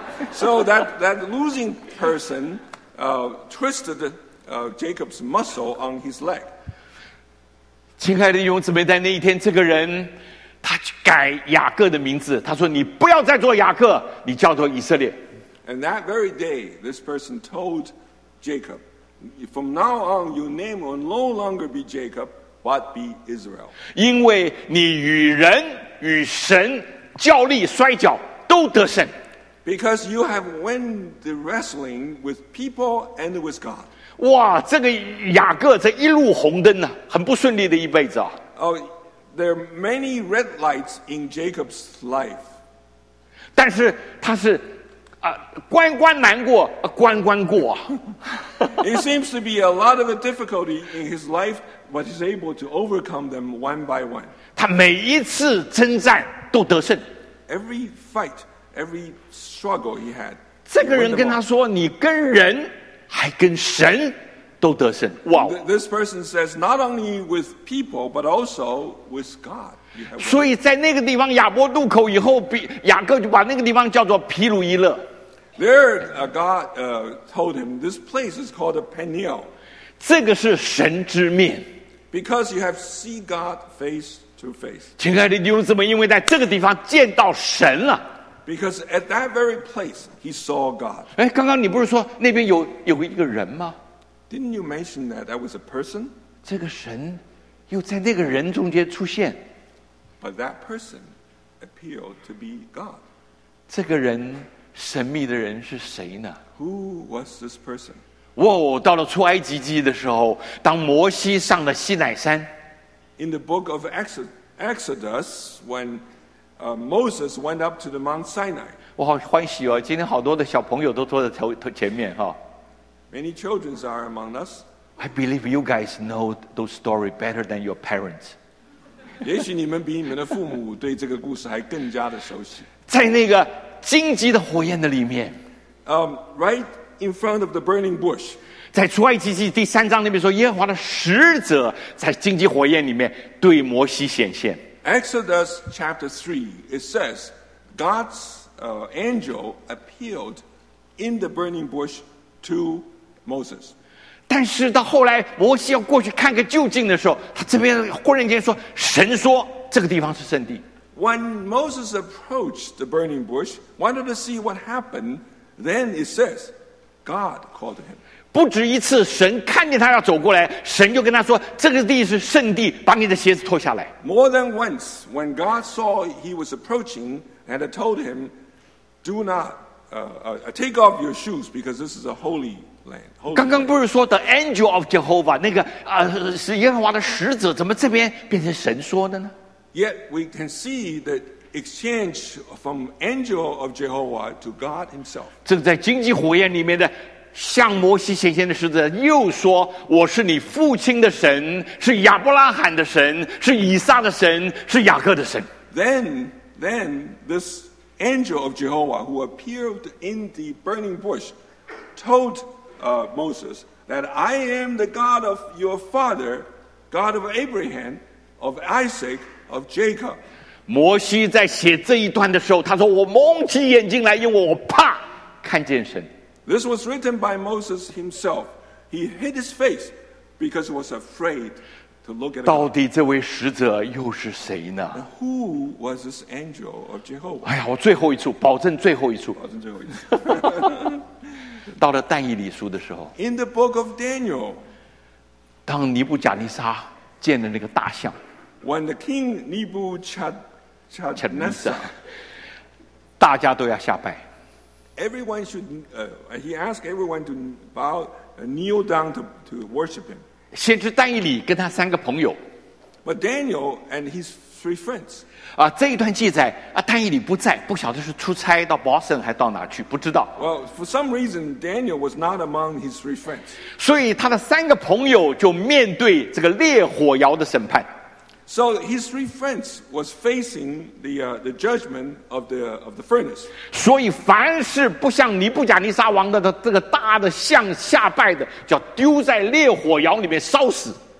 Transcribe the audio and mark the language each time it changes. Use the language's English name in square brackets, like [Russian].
[English] So that losing person twisted Jacob's muscle on his leg. [Chinese] 亲爱的弟兄姊妹，在那一天，这个人他改雅各的名字，他说：“你不要再做雅各，你叫做以色列。” [English] And that very day, this person told Jacob, "From now on, your name will no longer be Jacob, but be Israel." [Chinese] 因为你与人与神较力摔跤都得胜。 [English] Because you have won the wrestling with people and with God. [Chinese] 哇，这个雅各这一路红灯呢，很不顺利的一辈子啊。 [English] Oh, there are many red lights in Jacob's life. [Chinese] 但是他是啊，关关难过，关关过。 [English] It seems to be a lot of a difficulty in his life, but he's able to overcome them one by one. [Chinese] 他每一次征战都得胜。 [English] Every fight. Every struggle he had, [Chinese] 这个人跟他说：“你跟人还跟神都得胜。” 哇 [English] ！This person says not only with people but also with God. [Chinese] 所以在那个地方亚伯渡口以后，雅各就把那个地方叫做皮鲁伊勒。 [English] There, God told him this place is called Peniel. [Chinese] 这个是神之面。 [English] Because you have seen God face to face. [Chinese] 亲爱的弟兄姊妹，因为在这个地方见到神了。 [English] Because at that very place, he saw God. [Chinese] 哎，刚刚你不是说那边有一个人吗 [English] ？Didn't you mention that that was a person? [Chinese] 这个神又在那个人中间出现。 [English] But that person appeared to be God. [Chinese] 这个人神秘的人是谁呢 [English] ？Who was this person? [Chinese] 哇，到了出埃及记的时候，当摩西上了西乃山。 [English] In the book of Exodus, when Moses went up to the Mount Sinai. [Chinese] 我好欢喜哦！今天好多的小朋友都坐在前面哈。 [English] Many children are among us. I believe you guys know those stories better than your parents. [Chinese] 也许你们比你们的父母对这个故事还更加的熟悉。在那个荆棘的火焰的里面。 [English] Right in front of the burning bush. [Chinese] 在出埃及记第三章那边说，耶和华的使者在荆棘火焰里面对摩西显现。 [English] Exodus chapter 3, it says, God's angel appeared in the burning bush to Moses. [Chinese] 但是到后来摩西要过去看个究竟的时候，他这边忽然间说，神说这个地方是圣地。 [English] When Moses approached the burning bush, wanted to see what happened, then it says, God called him. [Chinese] 不止一次神看见他要走过来，神就跟他说，这个地是圣地，把你的鞋子脱下来。 [English] More than once, when God saw he was approaching and told him, do not take off your shoes because this is a holy land. [Chinese] 刚刚不是说 [English] the angel of Jehovah, [Chinese] 那个是耶和华的使者，怎么这边变成神说的呢？ [English] Yet we can see that exchange from angel of Jehovah to God himself. [Chinese] 这个在荆棘火焰里面的向摩西显现的使者又说，我是你父亲的神，是亚伯拉罕的神，是以撒的神，是雅各的神。 [English] Then this angel of Jehovah who appeared in the burning bush told Moses that I am the God of your father, God of Abraham, of Isaac, of Jacob. [Chinese] 摩西在写这一段的时候，他说，我蒙起眼睛来，因为我怕看见神。 [English] This was written by Moses himself. He hid his face because he was afraid to look at. [Chinese] 到底这位使者又是谁呢 [English] ？Who was this angel of Jehovah? [Chinese] 哎呀，我最后一处，保证最后一处。保证最后一处。到了但以理书的时候。 [English] In the book of Daniel, [Chinese] 当尼布甲尼撒见了那个大象。 [English] When the king Nebuchadnezzar, [Chinese] 大家都要下拜。 [English] Everyone should. He asked everyone to bow, kneel down to worship him. [Chinese] 先知但以理跟他三个朋友 [English] But Daniel and his three friends. [Chinese] 啊，这一段记载啊，丹尼里不在，不晓得是出差到 Boston 还是到哪去，不知道。 [English] Well, for some reason, Daniel was not among his three friends. [Chinese] 所以他的三个朋友就面对这个烈火窑的审判。 [English] So his three friends was facing the judgment of the furnace. [Chinese] 所以凡是不向尼布甲尼撒王的这个大的像下拜的，就要丢在烈火窑里面烧死。